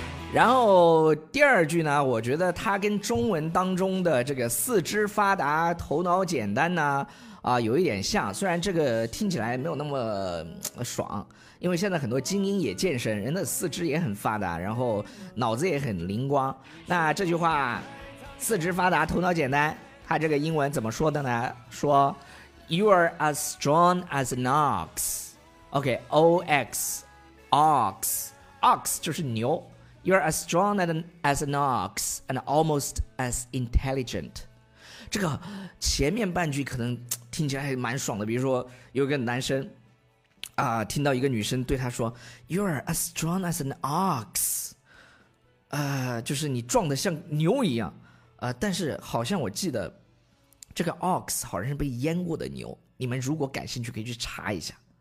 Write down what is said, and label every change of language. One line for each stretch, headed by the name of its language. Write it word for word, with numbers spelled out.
Chinese: 然后第二句呢，我觉得它跟中文当中的这个四肢发达、头脑简单呢。啊，有一点像，虽然这个听起来没有那么爽，因为现在很多精英也健身，人的四肢也很发达，然后脑子也很灵光。那这句话四肢发达头脑简单，它这个英文怎么说的呢？
English: 说 You are as strong as an ox。
Chinese: OK， O-X Ox Ox 就是牛。
English: You are as strong as an ox and almost as intelligent。
Chinese: 这个前面半句可能听起来还蛮爽的，比如说有个男生啊、呃，听到一个女生对他说
English: You're as strong as an ox、
Chinese: 呃、就是你撞得像牛一样、呃、但是好像我记得这个 ox 好像是被淹过的牛，你们如果感兴趣可以去查一下。